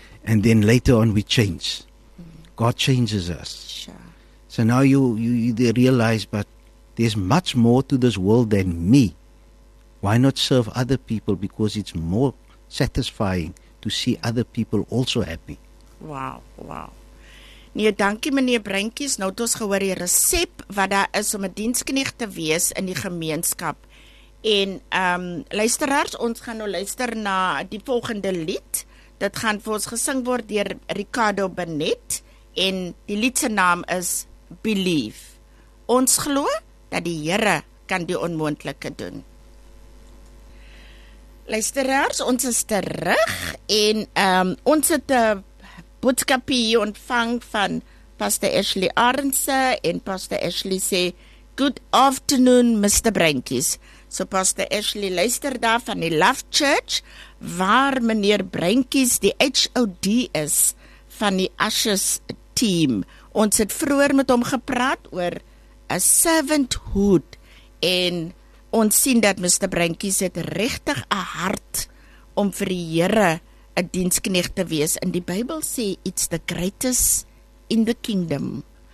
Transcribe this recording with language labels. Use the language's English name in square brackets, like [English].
[English] And then later on we change. God changes us. Sure. So now you realize, but there's much more to this world than me. Why not serve other people? Because it's more satisfying to see other people also happy. Wow. [Afrikaans] Nee, dankie meneer Brinkies, nou het ons gehoor die resep wat daar is om 'n dienskneeg te wees in die gemeenskap. En luisteraars, ons gaan nou luister na die volgende lied. Dit gaan vir ons gesing word deur Ricardo Benet en die lied se naam is Believe. Ons glo dat die Here kan die onmoontlike doen. Luisteraars, ons is terug en ons het 'n boodskapie ontvang van Pastor Ashley Arendse en Pastor Ashley sê, [English] good afternoon, Mr. Brinkies. [Afrikaans] So Pastor Ashley luister daar van die Love Church, waar meneer Brinkies die HOD is van die Ashes team. Ons het vroeger met hom gepraat oor a servanthood en ons sien dat Mr. Brinkies het regtig 'n hart om vir die Here a dienskneeg te wees. In die Bybel sê, [English] it's the greatest in the kingdom.